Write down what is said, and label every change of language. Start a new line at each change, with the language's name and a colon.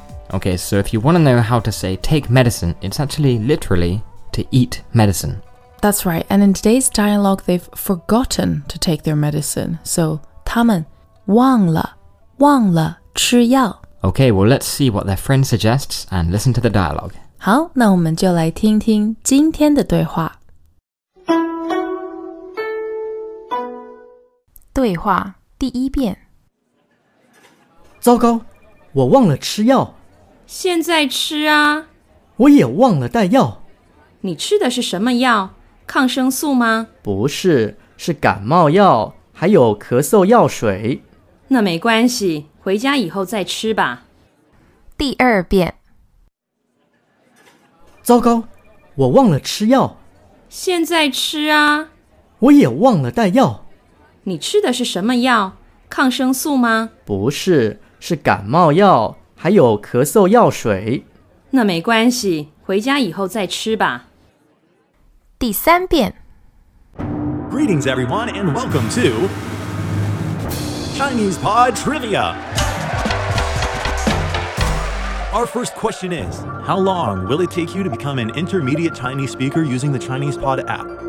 English: Okay, so if you want to know how to say take medicine, it's actually literally to eat medicine. That's right, and in today's dialogue, they've forgotten to take their medicine, so
Chinese: 他们忘了吃药
English: Okay, well, let's see what their friend suggests and listen to the dialogue.
Chinese: 好，那我们就来听听今天的对话。对话第一遍。糟糕，我忘了吃药。现在吃啊。我也忘了带药。你吃的是什么药？抗生素吗？不是，是感冒药，还有咳嗽药水。那没关系，回家以后再吃吧。第二遍。糟糕，我忘了吃药。现在吃啊。我也忘了带药。你吃的是什么药？抗生素吗？不是，是感冒药，还有咳嗽药水。那没关系，回家以后再吃吧。第三遍。
English: Greetings everyone and welcome to Chinese Pod Trivia. Our first question is, how long will it take you to become an intermediate Chinese speaker using the Chinese Pod app?